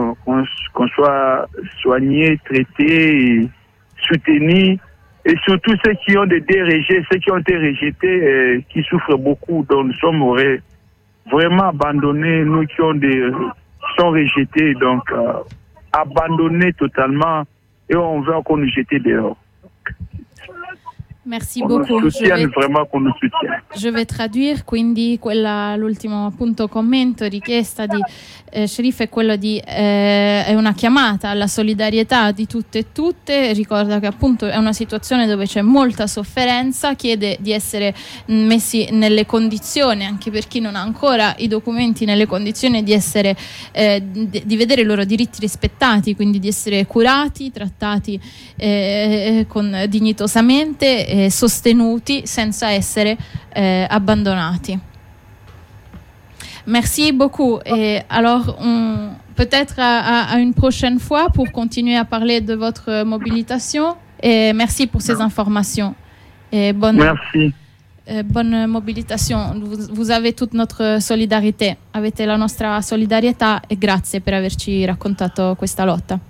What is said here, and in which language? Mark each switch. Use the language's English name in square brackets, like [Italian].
[French] Qu'on soit soignés, traités, soutenus, et surtout ceux qui ont été rejetés, qui souffrent beaucoup, dont nous sommes vraiment abandonnés, nous qui sommes rejetés, donc abandonnés totalement, et on veut encore nous jeter dehors. Merci beaucoup. Je vais traduire, [Italian] quindi l'ultimo appunto commento, richiesta di Sherif è quello di è una chiamata alla solidarietà di tutte e tutte. Ricorda che appunto è una situazione dove c'è molta sofferenza, chiede di essere messi nelle condizioni, anche per chi non ha ancora i documenti, nelle condizioni di essere di vedere i loro diritti rispettati, quindi di essere curati, trattati con dignitosamente, sostenuti senza essere abbandonati. [French] Merci beaucoup. Et alors, peut-être à une prochaine fois pour continuer à parler de votre mobilisation. Et merci pour ces informations. Et bonne mobilisation. Vous avez toute notre solidarité. [Italian] Avete la nostra solidarietà e grazie per averci raccontato questa lotta.